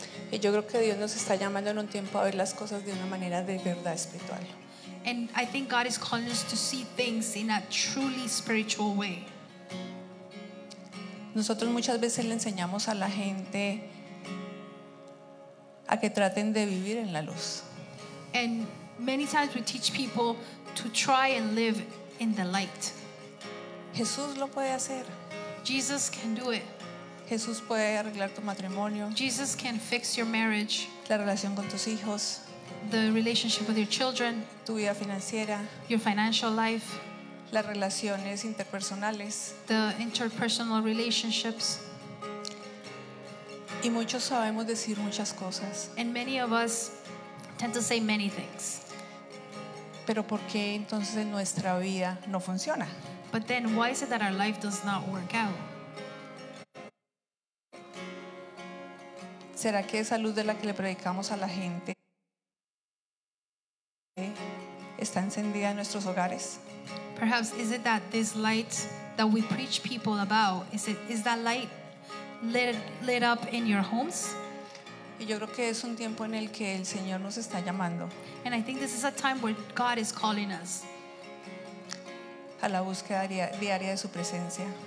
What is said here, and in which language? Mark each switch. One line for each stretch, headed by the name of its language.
Spanish: Y yo creo que Dios nos está llamando en un tiempo a ver las cosas de una manera de verdad espiritual.
English: And I think God is calling us to see things in a truly spiritual way.
Spanish: Nosotros muchas veces le enseñamos a la gente a que traten de vivir en la luz.
English: And many times we teach people to try and live in the light.
Spanish: Jesús lo puede hacer.
English: Jesus can do it.
Spanish: Jesús puede arreglar tu matrimonio.
English: Jesus can fix your marriage.
Spanish: La relación con tus hijos.
English: The relationship with your children.
Spanish: Tu vida financiera.
English: Your financial life.
Spanish: Las relaciones interpersonales.
English: The interpersonal relationships.
Spanish: Y muchos sabemos decir muchas cosas.
English: And many of us tend to say many things.
Spanish: Pero ¿por qué entonces nuestra vida no funciona?
English: But then why is it that our life does not work out?
Spanish: ¿Será que esa luz de la que le predicamos a la gente está encendida en nuestros hogares?
English: Perhaps is it that this light that we preach people about, is that light lit up in your homes?
Spanish: Y yo creo que es un tiempo en el que el Señor nos está llamando.
English: And I think this is a time where God is calling us.
Spanish: A la búsqueda diaria de su presencia.